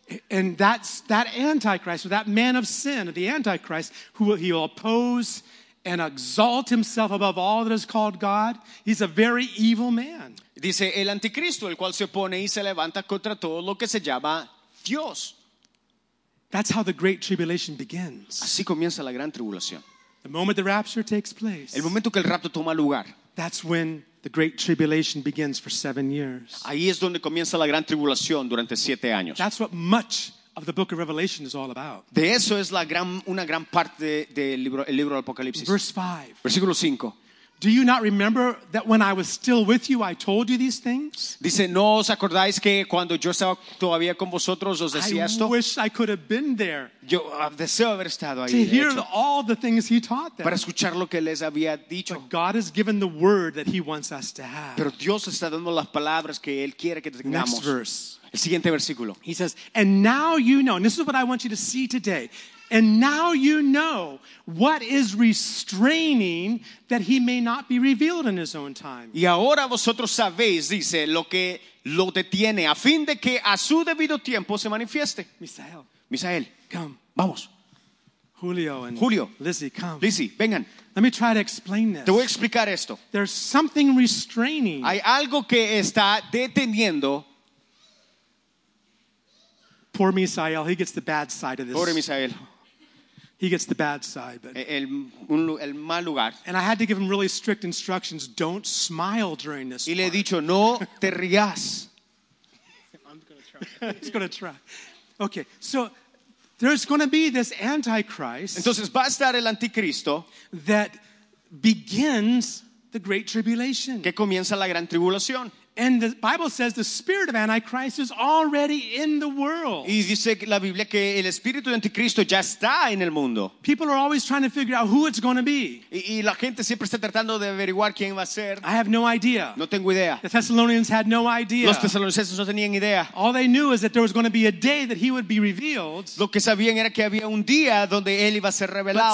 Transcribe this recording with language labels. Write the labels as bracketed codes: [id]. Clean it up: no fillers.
[en] And that's that Antichrist, or that man of sin, the Antichrist, who will, he will oppose and exalt himself above all that is called God. He's a very evil man. [es] Dice el Anticristo, el cual se opone y se levanta contra todo lo que se llama Dios. [en] That's how the great tribulation begins. [es] Así comienza la gran tribulación. [en] The moment the rapture takes place. [es] El momento que el rapto toma lugar. [en] That's when the great tribulation begins for 7 years. [es] Ahí es donde comienza la gran tribulación durante 7 años. [en] That's what much of the book of Revelation is all about. [es] De eso es una gran parte del libro del Apocalipsis. [en] Verse 5. [es] Versículo 5. [en] Do you not remember that when I was still with you, I told you these things? [es] Dice, ¿no os acordáis que cuando yo estaba todavía con vosotros os decía esto? [en] I wish I could have been there. [es] Yo deseo haber estado ahí. [en] To hear all the things he taught them. [es] Para escuchar lo que les había dicho. [en] But God has given the word that he wants us to have. [es] Pero Dios está dando las palabras que él quiere que tengamos. [en] Next verse. [es] El siguiente versículo. [en] He says, and now you know, and this is what I want you to see today. And now you know what is restraining that he may not be revealed in his own time. [es] Y ahora vosotros sabéis, dice, lo que lo detiene a fin de que a su debido tiempo se manifieste. [en] Misael. Come. [es] Vamos. [en] Julio. Lizzie, come. [es] Lizzie, vengan. [en] Let me try to explain this. [es] Te voy a explicar esto. [en] There's something restraining. [es] Hay algo que está deteniendo. [en] Poor Misael, he gets the bad side of this. [es] Pobre Misael. [en] He gets the bad side, but [es] el mal lugar. [en] And I had to give him really strict instructions. Don't smile during this. [es] Y le he dicho no te rías. [en] I'm gonna try. He's gonna try. Okay, so there's gonna be this Antichrist. [es] Entonces va a estar el Anticristo [en] that begins the great tribulation. [es] Que comienza la gran tribulación. [en] And the Bible says the spirit of Antichrist is already in the world. [es] Y dice la Biblia que el espíritu de Anticristo ya está en el mundo. [en] People are always trying to figure out who it's going to be. [es] Y la gente siempre está tratando de averiguar quién va a ser. [en] I have no idea. [es] No tengo idea. [en] The Thessalonians had no idea. [es] Los tesalonicenses no tenían idea. [en] All they knew is that there was going to be a day that he would be revealed. [es] Lo que sabían era que había un día donde él iba a ser revelado.